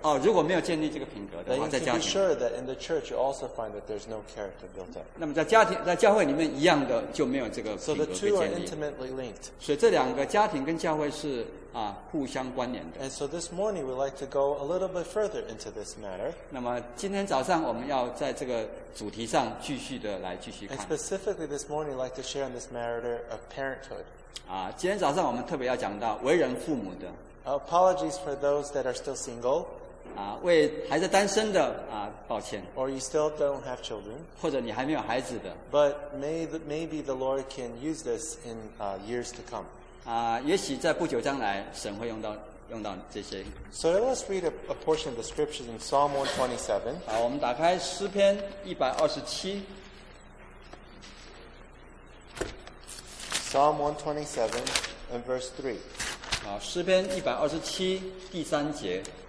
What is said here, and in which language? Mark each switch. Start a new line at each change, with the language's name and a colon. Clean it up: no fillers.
Chinese: 哦，如果没有建立这个品格的话，在家庭
English: then you can be sure that in the church you also find that there's no character built up.
Chinese: 那么在教会里面一样的就没有这个品格被建立。
English: So the two are intimately linked.
Chinese: 所以这两个家庭跟教会是啊互相关联的。
English: And so this morning we'd like to go a little bit further into this matter.
Chinese: 那么今天早上我们要在这个主题上继续的来继续看。
English: And specifically this morning we'd like to share on this matter of parenthood.
Chinese: 啊，今天早上我们特别要讲到为人父母的。
English: Apologies for those that are still single.
Chinese: 啊，为还在单身的啊，抱歉。
English: Or you still don't have children.
Chinese: 或者你还没有孩子的。
English: But maybe the Lord can use this in years to come.
Chinese: 啊，也许在不久将来，神会用到这些。
English: So let's read a portion of the scriptures in Psalm 127.
Chinese: 好，我们打开诗篇一百二十七。
English: Psalm 127 and verse 3.
Chinese: 诗篇一百二十七第三节。